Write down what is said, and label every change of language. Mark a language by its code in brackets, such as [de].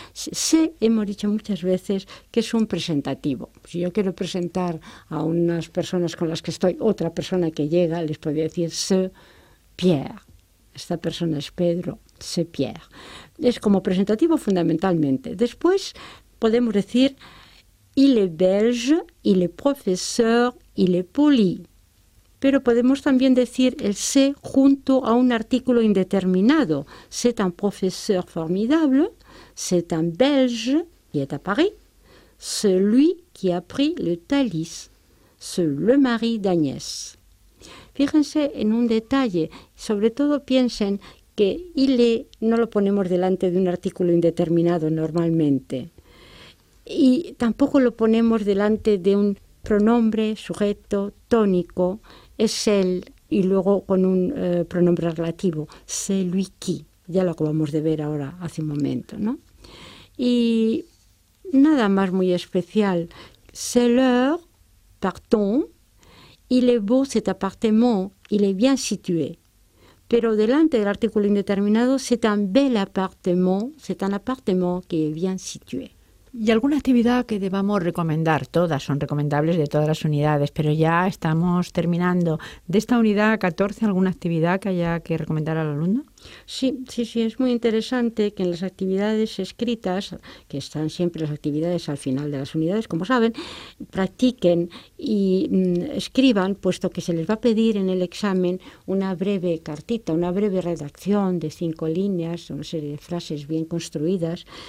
[es] Se, hemos dicho muchas veces, que es un presentativo. Si yo quiero presentar a unas personas con las que estoy, otra persona que llega, les podría decir se, Pierre. Esta persona es Pedro, se, Pierre. Es como presentativo fundamentalmente. Después podemos decir [fr] il est belge, il est professeur, il est poli. [es] Pero podemos también decir el se junto a un artículo indeterminado. [fr] C'est un professeur formidable. C'est un belge qui est à Paris. Celui qui a pris le Thalys. C'est le mari d'Agnès. [es] Fíjense en un detalle. Sobre todo piensen que il est no lo ponemos delante de un artículo indeterminado normalmente. Y tampoco lo ponemos delante de un pronombre, sujeto, tónico. Es él, y luego con un pronombre relativo, [fr] c'est lui qui, [es] ya lo acabamos de ver ahora, hace un momento, ¿no? Y nada más muy especial, [fr] c'est l'heure, partons, il est beau cet appartement, il est bien situé. [es] Pero delante del artículo indeterminado, [fr] c'est un bel appartement, c'est un appartement qui est bien situé. [es] ¿Y alguna actividad que debamos recomendar? Todas son recomendables de todas las unidades, pero ya estamos terminando. ¿De esta unidad 14 alguna actividad que haya que recomendar al alumno? Sí, sí, sí. Es muy interesante que en las actividades escritas, que están siempre las actividades al final de las unidades, como saben, practiquen y escriban, puesto que se les va a pedir en el examen una breve cartita, una breve redacción de 5 líneas, una serie de frases bien construidas.